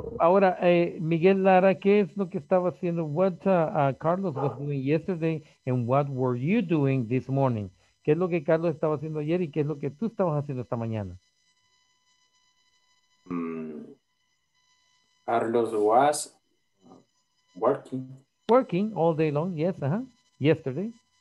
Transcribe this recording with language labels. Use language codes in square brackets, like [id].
[es] Ahora, Miguel Lara, ¿qué es lo que estaba haciendo? [en] What Carlos was doing yesterday and what were you doing this morning? [es] ¿Qué es lo que Carlos estaba haciendo ayer y qué es lo que tú estabas haciendo esta mañana? [en] Carlos was working. Working all day long, yes, uh-huh. Yesterday.